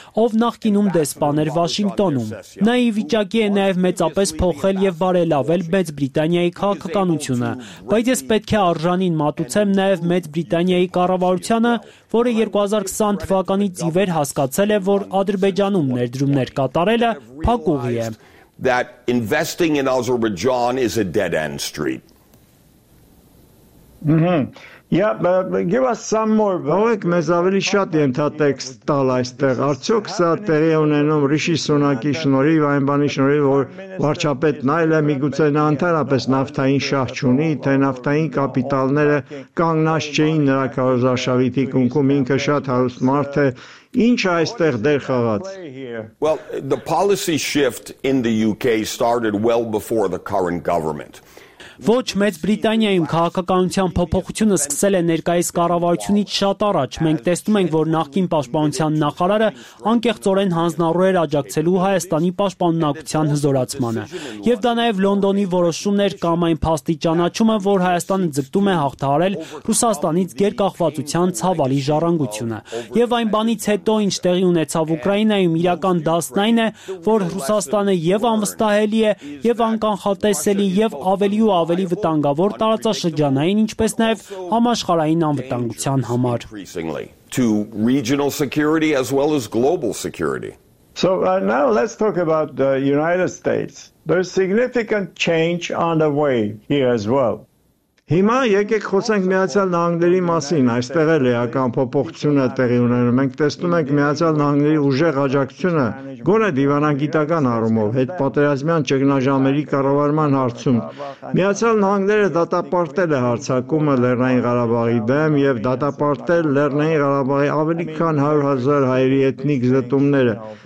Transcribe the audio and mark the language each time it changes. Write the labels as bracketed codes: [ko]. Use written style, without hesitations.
[hy] ով նախկինում դեսպան էր Վաշինգտոնում։ Նա ի վիճակի է նաեւ մեծապես փոխել եւ բարելավել Մեծ Բրիտանիայի քաղաքականությունը, բայց ես պետք է արժանին մատուցեմ նաև Մեծ Բրիտանիայի կառավարությանը, որը 2020 թվականի ծիվեր հասկացել է, որ Ադրբեջանում ներդրումներ կատարելը փակուղի է. [en] That investing in Azerbaijan is a dead end street. Mm-hmm. Yeah, but give us some more. [hy] Բայց մեզ ավելի շատ ենթատեքստ տալ այստեղ։ Արդյոք սա տեղի ունենում Ռիշի Սունակի շնորհիվ, այն բանի շնորհիվ, որ վարչապետն այլ է, միգուցե նա ընդհանրապես նավթային շահ չունի, թե նավթային կապիտալները կանգնած չէին նրա կարոզարշավիթի կունքում, ինքը շատ հարուստ մարդ է, ինչ այստեղ դեր խաղաց։ [en] Well, the policy shift in the UK started well before the current government. [hy] Ոչ, Մեծ Բրիտանիայում քաղաքականության փոփոխությունը սկսել է ներկայիս կառավարությունից շատ առաջ։ Մենք տեսնում ենք, որ նախկին պաշտպանության նախարարը անկեղծորեն հանձնարարում էր աջակցելու Հայաստանի պաշտպանունակության հզորացմանը, եւ դա նաեւ Լոնդոնի որոշումներ կամ այն փաստի ճանաչումը, որ Հայաստանը ձգտում է հաղթահարել Ռուսաստանից գերկախվածության ցավալի ժառանգությունը։ Եվ այն բանից հետո, ինչ տեղի ունեցավ Ուկրաինայում, իրական դասն այն է, որ Ռուսաստանը եւ անվստահելի է, եւ անկանխատեսելի, եւ ավելի ավելի վտանգավոր տարածաշրջանային, ինչպես նաև համաշխարհային անվտանգության համար։ [en] To regional security as well as global security. So now let's talk about the United States. There's significant change on the way here as well. [hy] Հիմա եկեք խոսենք Միացյալ Նահանգների մասին, այստեղ էլ էական փոփոխություն է տեղի ունենում։ Մենք տեսնում ենք Միացյալ Նահանգների ուժեղ աջակցությունը գոնե դիվանագիտական առումով հետ պատերազմյան ճգնաժամերի կառավարման հարցում։ Միացյալ Նահանգները դատապարտել է հարձակումը Լեռնային Ղարաբաղի դեմ եւ դատապարտել Լեռնային Ղարաբաղի ավելի քան 100 000 հայերի էթնիկ զտումները։